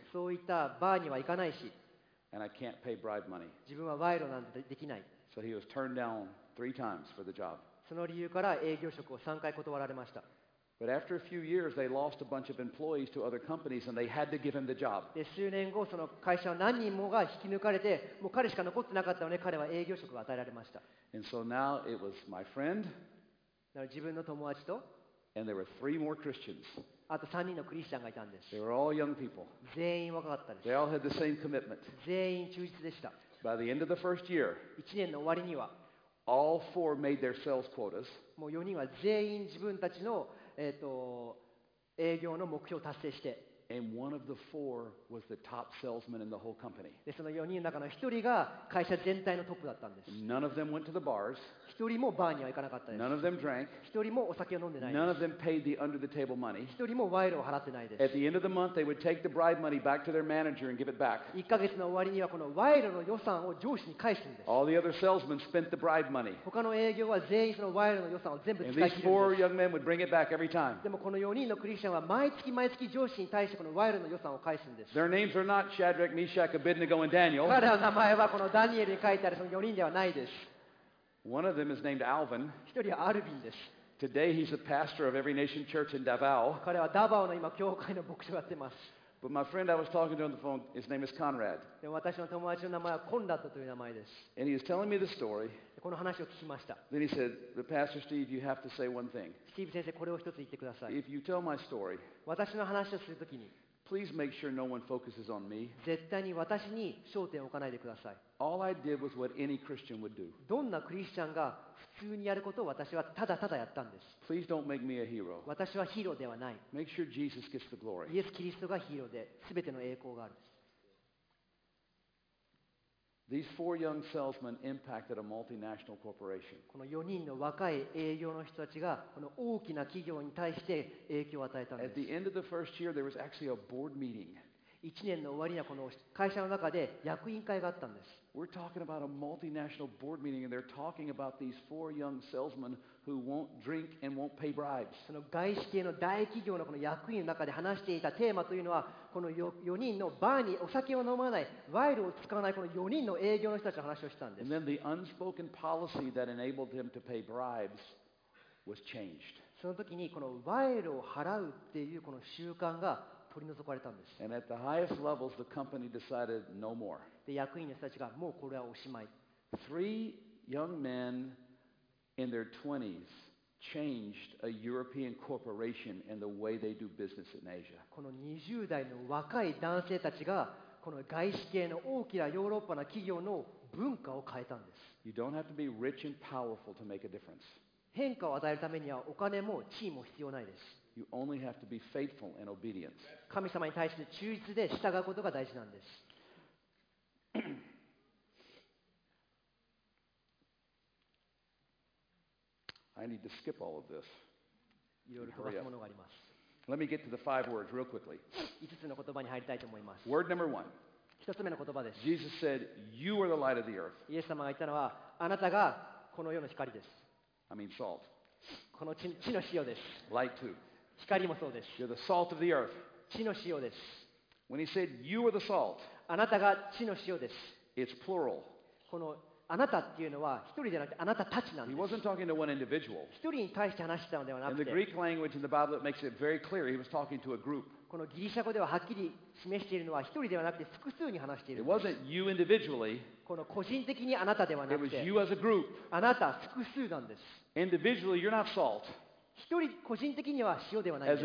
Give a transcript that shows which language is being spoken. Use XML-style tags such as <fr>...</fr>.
<ja>そういったバーには行かないし。</ja> <en>And I can't pay bribe money.</en> <ja>自分は賄賂なんてできない。</ja> <en>So he was turned down 3 times for the job.</en> <ja>その理由から営業職を3回断られました。</ja> <en>But after a few years, they lost a bunch of employees to other companies, and they had to give him the job.</en> <ja>で、数年後、その会社は何人もが引き抜かれて、もう彼しか残ってなかったので、彼は営業職を与えられました。</ja> <en>And so now it was my friend.</en> <ja>だから自分の友達と。</ja> <en>And there were 3 more Christians.</en> <ja>あと3人のクリスチャンがいたんです。</ja> <en>They were all young people.</en> <ja>全員若かったです。</ja> <en>They all had the same commitment.</en> <ja>全員忠実でした。</ja> <en>By the end of the first year.</en> <ja>1年の終わりには。</ja> <en>All 4 made their sales quotas.</en> <ja>もう4人は全員自分たちの営業の目標を達成して。</ja> <en>And one of the four was the top salesman in the whole company.</en> <ja>で、その4人の中の1人が会社全体のトップだったんです。</ja> <en>None of them went to the bars.</en> <ja>1人もバーには行かなかったです。</ja> <en>None of them drank.</en> <ja>1人もお酒を飲んでないです。</ja> <en>None of them paid the under the table money.</en> <ja>1人も賄賂を払ってないです。</ja> <en>At the end of the month, they would take the bribe money back to their manager and give it back.</en> <ja>1ヶ月の終わりにはこの賄賂の予算を上司に返すんです。</ja> <en>All the other salesmen spent the bribe money.</en> <ja>他の営業は全員その賄賂の予算を全部使い切るんです。</ja> <en>And these 4 young men would bring it back every time.</en> <ja>でもこの4人のクリスチャンは毎月毎月上司に対してこのワイルの予算を返すんです。</ja> <en>Their names are not Shadrach, Meshach, Abednego, and Daniel.</en> <ja>彼らの名前はこのダニエルに書いてあるその4人ではないです。</ja> <en>One of them is named Alvin.</en> <ja>一人はアルビンです。</ja> <en>Today he's a pastor of Every Nation Church in Davao.</en> <ja>彼はダバオの今教会の牧師をやってます。</ja> <en>But my friend I was talking to on the phone, his name is Conrad.</en> <ja>でも私の友達の名前はコンラッドという名前です。</ja> <en>And he was telling me the story.</en> <ja>この話を聞きました。</ja> <en>Then he said, the Pastor Steve, you have to say one thing.</en> <ja>Steve 先生、これを一つ言ってください。</ja> <en>If you tell my story,</en> <ja>私の話をするときに、</ja> <en>Please make sure no one focuses on me.</en> <ja>絶対に私に焦点を置かないでください。</ja> <en>All I did was what any Christian would do.</en> <ja>どんなクリスチャンが普通にやることを私はただただやったんです。</ja> <en>Please don't make me a hero.</en> <ja>私はヒーローではない。</ja> <en>Make sure Jesus gets the glory.</en> <ja>イエス・キリストがヒーローで、すべての栄光があるんです。</ja> <en>These four young salesmen impacted a multinational corporation.</en> <ja>この4人の若い営業の人たちがこの大きな企業に対して影響を与えたんです。</ja> <en>At the end of the first year, there was actually a board meeting.</en> <ja>1年の終わりにはこの会社の中で役員会があったんです。</ja> <en>We're talking about a multinational board meeting, and they're talking about these four young salesmen who won't drink and won't pay bribes.</en> <ja>その外資系の大企業のこの役員の中で話していたテーマというのは、この4人のバーにお酒を飲まない、賄賂を使わないこの4人の営業の人たちの話をしたんです。</ja> <en>And then the unspoken policy that enabled them to pay bribes was changed.</en> <ja>その時にこの賄賂を払うっていうこの習慣が取り除かれたんです。</ja> <en>And at the highest levels, the company decided no more.</en> <ja>で、役員の人たちがもうこれはおしまい。</ja> <en>Three young men in their 20s changed a European corporation and the way they do business in Asia.</en> <ja>この20代の若い男性たちがこの外資系の大きなヨーロッパの企業の文化を変えたんです。</ja> <en>You don't have to be rich and powerful to make a difference.</en> <ja>変化を与えるためにはお金も地位も必要ないです。</ja> <en>You only have to be faithful and obedient.</en> <ja>神様に対して忠実で従うことが大事なんです。</ja> <en>I need to skip all of this.</en> <ja>いろいろ飛ばすものがあります。</ja> <en>Let me get to the five words real quickly.</en> <ja>5つの言葉に入りたいと思います。</ja> <en>Word number one.</en> <ja>一つ目の言葉です。</ja> <en>Jesus said, "You are the light of the earth."</en> <ja>イエス様が言ったのは、あなたがこの世の光です。</ja> <en>I mean salt.</en> <ja>この地の塩です。</ja> <en>Light too.</en> <ja>光もそうです。</ja> <en>You're the salt of the earth.</en> <ja>地の塩です。</ja> <en>When he said, you are the salt,</en> <ja>あなたが地の塩です。</ja> <en>It's plural.</en> <ja>このあなたっていうのは一人じゃなくてあなたたちなんです。</ja> <en>He wasn't talking to one individual.</en> <ja>一人に対して話したのではなくて。</ja> <en>In the Greek language, in the Bible, it makes it very clear he was talking to a group.</en> <ja>このギリシャ語でははっきり示しているのは一人ではなくて複数に話しているんです。</ja> <en>It wasn't you individually.</en> <ja>この個人的にあなたではなくて。</ja> <en>It was you as a group.</en> <ja>あなた複数なんです。</ja> <en>Individually, you're not salt.</en> <ja>一人個人的には塩ではないです。</ja>